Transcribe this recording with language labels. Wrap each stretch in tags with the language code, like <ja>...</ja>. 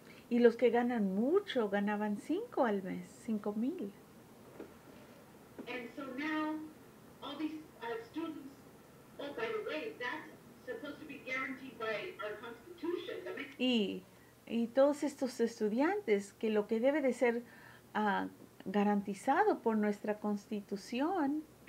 <es>Y los que ganan mucho ganaban 5 al mes, 5,000.</es> <en>And so now all these students, oh by the way, that's supposed to be guaranteed by our constitution.</en> <es>Y todos estos estudiantes, que lo que debe de ser garantizado por nuestra constitución.</es>